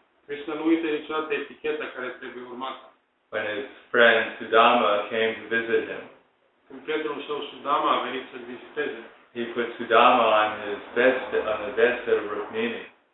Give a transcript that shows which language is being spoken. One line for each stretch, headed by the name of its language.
Romanian: Krishna nu uită niciodată eticheta care trebuie urmată.
English: When his friend Sudama came to visit him,
Romanian: când prietenul său Sudama a venit să-l viziteze,
English: he put Sudama on his bedstead, on the bedstead of Rukmini.